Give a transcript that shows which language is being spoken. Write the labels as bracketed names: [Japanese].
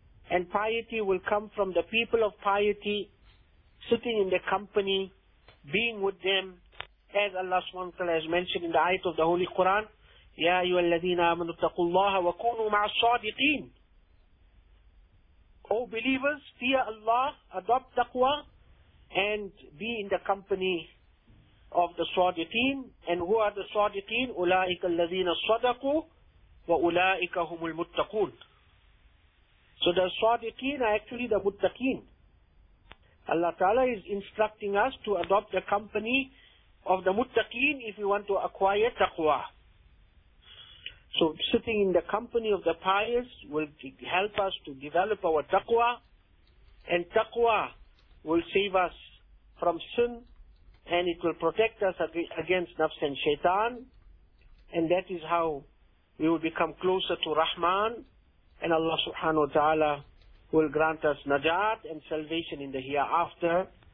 [English] And piety will come from the people of piety, sitting in their company, being with them, as Allah subhanahu wa ta'ala has mentioned in the ayat of the Holy Quran, [Arabic] يا أيها الذين آمنوا اتقوا الله وكونوا مع الصادقين. [English] O believers, fear Allah, adopt taqwa, and be in the company of the صادقين. And who are the صادقين? [Arabic] أولئك الذين صدقوا وأولئك هم المتقون. [English] So the صادقين are actually the muttaqin. Allah Ta'ala is instructing us to adopt the company of the muttaqin if we want to acquire taqwa. So sitting in the company of the pious will help us to develop our taqwa, and taqwa will save us from sin, and it will protect us against nafs and shaitan, and that is how we will become closer to Rahman, and Allah subhanahu wa ta'ala will grant us najat and salvation in the hereafter.